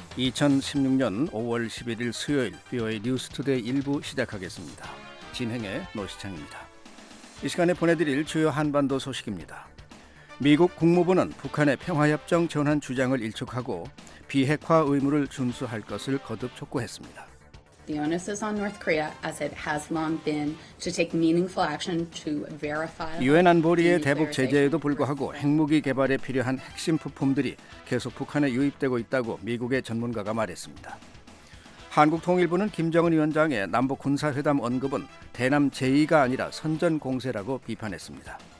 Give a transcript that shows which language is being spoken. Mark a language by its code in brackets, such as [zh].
[ko] 2016년 5월 11일 수요일 비오웨이 뉴스 투데이 1부 시작하겠습니다. 진행의 노시창입니다. 이 시간에 보내드릴 주요 한반도 소식입니다. 미국 국무부는 북한의 평화협정 전환 주장을 일축하고 비핵화 의무를 준수할 것을 거듭 촉구했습니다. [en] The onus is on North Korea as it has long been to take meaningful action to verify. [ko] 유엔 안보리의 대북 제재에도 불구하고 핵무기 개발에 필요한 핵심 부품들이 계속 북한에 유입되고 있다고 미국의 전문가가 말했습니다. 한국 통일부는 김정은 위원장의 남북 군사회담 언급은 대남 제의가 아니라 선전 공세라고 비판했습니다.